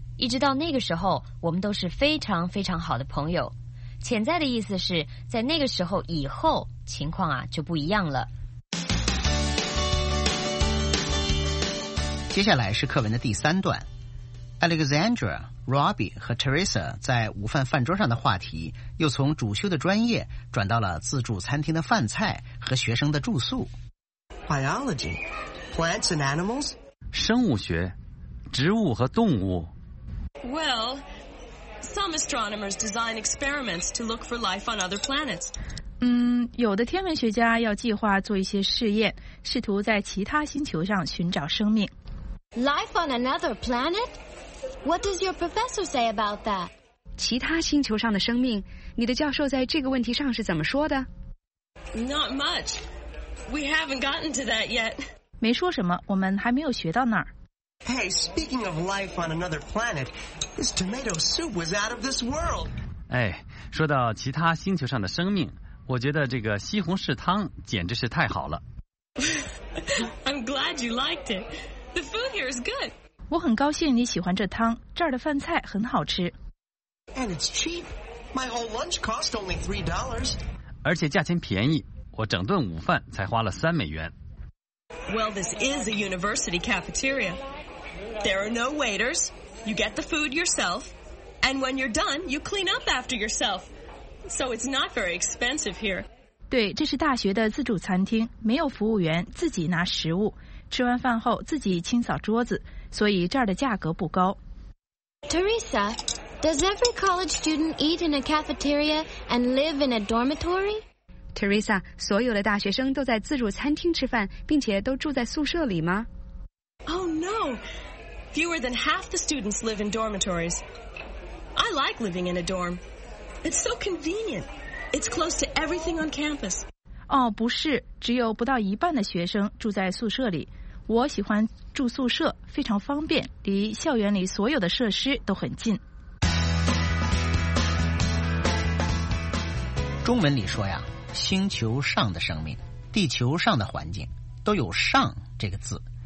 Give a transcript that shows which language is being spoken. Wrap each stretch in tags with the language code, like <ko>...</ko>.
<zh>一直到那个时候，我们都是非常非常好的朋友。潜在的意思是，在那个时候以后，情况啊，就不一样了。接下来是课文的第三段。Alexandra, Robbie 和 Teresa 在午饭饭桌上的话题，又从主修的专业转到了自助餐厅的饭菜和学生的住宿。</zh> <en>Biology, plants and animals.</en> <zh>生物学，植物和动物。</zh> <en>Well, some astronomers design experiments to look for life on other planets.</en> <zh>有的天文学家要计划做一些试验，试图在其他星球上寻找生命。</zh> <en>Life on another planet? What does your professor say about that?</en> <zh>其他星球上的生命，你的教授在这个问题上是怎么说的？</zh> <en>Not much. We haven't gotten to that yet.</en> <zh>没说什么，我们还没有学到那儿。</zh> <en>Hey, speaking of life on another planet, this tomato soup was out of this world.</en> <zh>哎，说到其他星球上的生命，我觉得这个西红柿汤简直是太好了。</zh> <en>I'm glad you liked it. The food here is good.</en> <zh>我很高兴你喜欢这汤，这儿的饭菜很好吃。</zh> <en>And it's cheap. My whole lunch cost only $3.</en> <zh>而且价钱便宜。我整顿午饭才花了$3。</zh> <en>Well, this is a university cafeteria. There are no waiters. You get the food yourself. And when you're done, you clean up after yourself. So it's not very expensive here.</en> <zh>对，这是大学的自助餐厅，没有服务员，自己拿食物，吃完饭后自己清扫桌子，所以这儿的价格不高。</zh> <en>Teresa, does every college student eat in a cafeteria and live in a dormitory?</en> <zh>Teresa, 所有的大学生都在自助餐厅吃饭，并且都住在宿舍里吗？</zh> <en>Oh no! Fewer than half the students live in dormitories. I like living in a dorm. It's so convenient. It's close to everything on campus.</en> <zh>哦，不是，只有不到一半的学生住在宿舍里。我喜欢住宿舍，非常方便，离校园里所有的设施都很近。中文里说呀，星球上的生命，地球上的环境，都有上这个字。</zh>